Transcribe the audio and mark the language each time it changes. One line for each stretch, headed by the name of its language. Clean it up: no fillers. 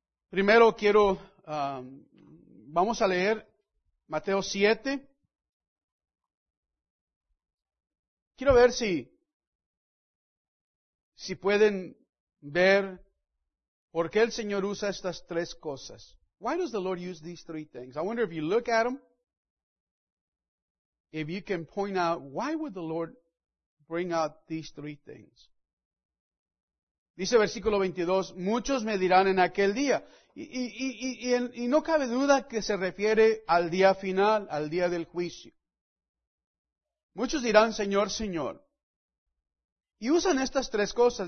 Spanish: Primero quiero, vamos a leer Mateo 7. Quiero ver si pueden ver por qué el Señor usa estas tres cosas.
English: Why does the Lord use these three things? I wonder if you look at them, if you can point out why would the Lord bring out these three things.
Spanish: Dice versículo 22, muchos me dirán en aquel día. Y no cabe duda que se refiere al día final, al día del juicio. Muchos dirán, Señor, Señor. Y usan estas tres cosas.